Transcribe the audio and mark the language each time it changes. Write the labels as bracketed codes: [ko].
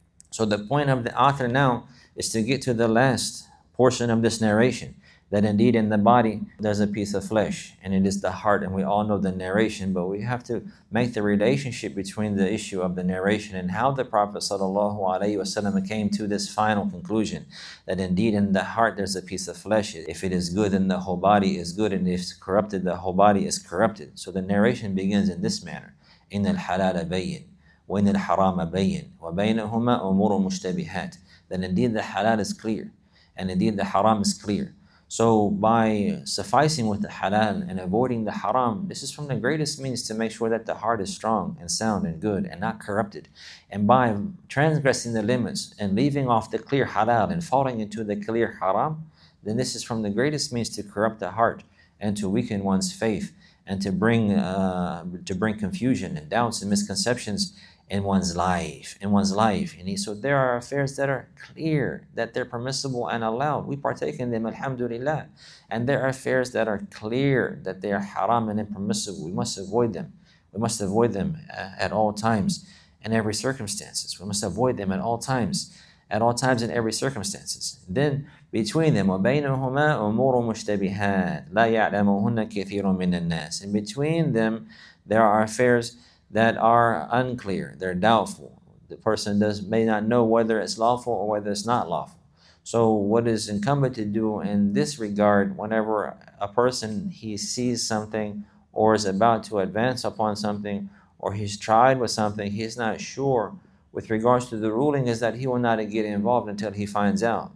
[en] So the point of the author now is to get to the last portion of this narration, that indeed in the body there's a piece of flesh, and it is the heart, and we all know the narration, but we have to make the relationship between the issue of the narration and how the Prophet sallallahu alaihi wasallam came to this final conclusion, that indeed in the heart there's a piece of flesh. If it is good, then the whole body is good, and if it's corrupted, the whole body is corrupted. So the narration begins in this manner, [ar] إِنَّ الْحَلَالَ بَيِّنْ وَإِنَّ الْحَرَامَ بَيِّنْ وَبَيْنَهُمَا أُمُورٌ مُشْتَبِهَاتٌ. [en] That indeed the halal is clear, and indeed the haram is clear. So by sufficing with the halal and avoiding the haram, this is from the greatest means to make sure that the heart is strong and sound and good and not corrupted. And by transgressing the limits and leaving off the clear halal and falling into the clear haram, then this is from the greatest means to corrupt the heart and to weaken one's faith and to bring confusion and doubts and misconceptions in one's life. And so there are affairs that are clear, that they're permissible and allowed. We partake in them, alhamdulillah. And there are affairs that are clear, that they are haram and impermissible. We must avoid them. We must avoid them at all times and every circumstances. We must avoid them at all times and every circumstances. Then between them, [ar] وَبَيْنَهُمَا أُمُورٌ مُشْتَبِهَاتٌ لَا يَعْلَمُهُنَّ كَثِيرٌ مِّنَ النَّاسِ. [en] And between them, there are affairs that are unclear, they're doubtful. The person may not know whether it's lawful or whether it's not lawful. So what is incumbent to do in this regard, whenever a person, he sees something or is about to advance upon something or he's tried with something, he's not sure with regards to the ruling, is that he will not get involved until he finds out.